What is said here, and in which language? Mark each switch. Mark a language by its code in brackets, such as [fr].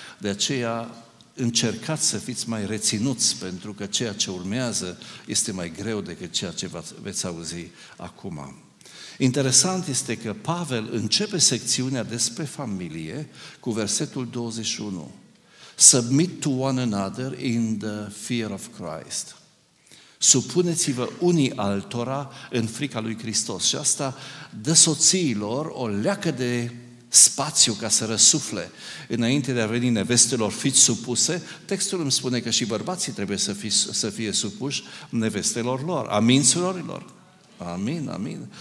[ro] De aceea încercați să fiți mai reținuți, pentru că ceea ce urmează este mai greu decât ceea ce veți auzi acum. Interesant este că Pavel începe secțiunea despre familie cu versetul 21. [en] Submit to one another in the fear of Christ. [ro] Supuneți-vă unii altora în frica lui Hristos. Și asta dă soțiilor o leacă de spațiu ca să răsufle înainte de a veni nevestelor, fiți supuse. Textul îmi spune că și bărbații trebuie să fie supuși nevestelor lor. Amin, surorilor? Amin, amin.